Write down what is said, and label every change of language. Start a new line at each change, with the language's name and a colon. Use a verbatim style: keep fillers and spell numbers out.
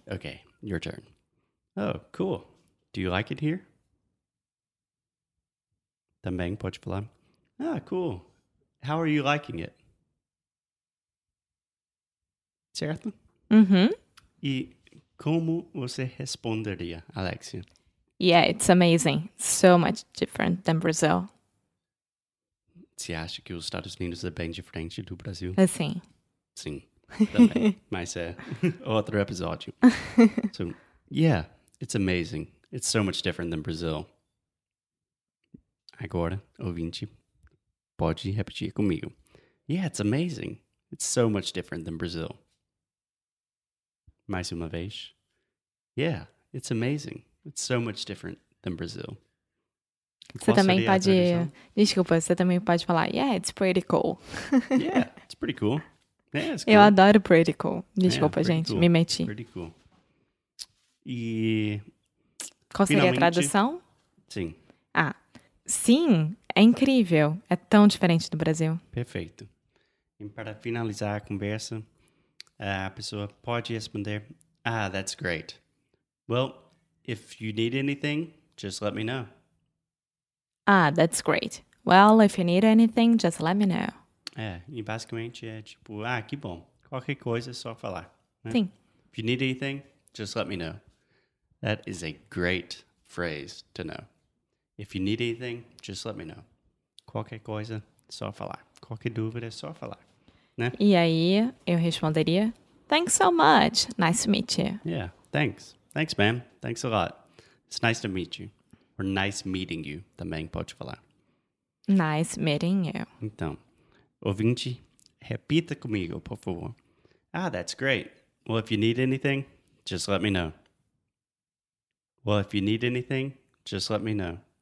English: Okay, your turn. Oh, cool. Do you like it here?
Portuguese: Também pode falar.
English: Ah, cool. How are you liking it?
Portuguese: Certo? Mm-hmm. E como você responderia, Alexia?
English: Yeah, it's amazing. So much different than Brazil.
Portuguese: Você acha que os Estados Unidos é bem diferente do Brasil? Assim, Sim, também. Mas é outro episódio.
English: So, yeah, it's amazing. It's so much different than Brazil.
Portuguese: Agora, ouvinte, pode repetir comigo.
English: Yeah, it's amazing. It's so much different than Brazil.
Portuguese: Mais uma vez.
English: Yeah, it's amazing. It's so much different than Brazil.
Portuguese: Você também pode... Desculpa, você também pode falar,
English: yeah, it's pretty cool. Yeah, it's pretty cool. Yeah, it's cool.
Portuguese: Eu adoro
English: pretty cool.
Portuguese: Desculpa,
English: Yeah, pretty
Portuguese: gente,
English: cool.
Portuguese: me meti.
English: Pretty cool. E...
Portuguese: Qual seria Finalmente. a tradução? Sim, Ah, sim, é incrível. É tão diferente do Brasil. perfeito. E para finalizar a conversa, a pessoa pode responder,
English: ah, that's great. Well, if you need anything, just let me know. Ah, that's great. Well, if you need anything, just let me know.
Portuguese: É, e basicamente é tipo, ah, que bom. Qualquer coisa é só falar, né? Sim,
English: If you need anything, just let me know. That is a great phrase to know. If you need anything, just let me know.
Portuguese: Qualquer coisa, só falar. Qualquer dúvida, só falar. Né? e aí eu responderia,
English: thanks so much, nice to meet you. Yeah, thanks. Thanks, man. Thanks a lot. It's nice to meet you. Or nice meeting you
Portuguese: também pode falar.
English: Nice meeting you.
Portuguese: Então, ouvinte, repita comigo, por favor.
English: Ah, that's great. Well, if you need anything, just let me know. Well, if you need anything, just let me know.